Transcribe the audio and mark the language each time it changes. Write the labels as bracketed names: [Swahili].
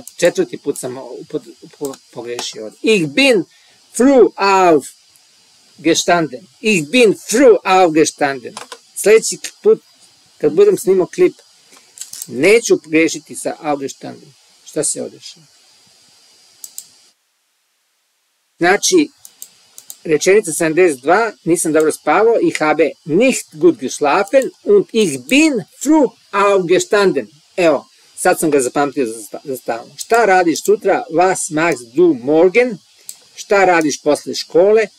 [Serbian] Četvrti put sam pogrešio ovdje. [German] Ich bin früh aufgestanden. Ich bin früh aufgestanden. [Serbian] Sljedeći put, kad budem snimao klip, neću pogrešiti sa aufgestanden. Šta se odešava? Znači, rečenica 72, nisam dobro spavao, [German] ich habe nicht gut geschlafen und ich bin früh aufgestanden. [Serbian] Evo, sad sam ga zapamtio za stavno. [German] Šta radiš sutra? Was machst du morgen? [Serbian] Šta radiš posle škole?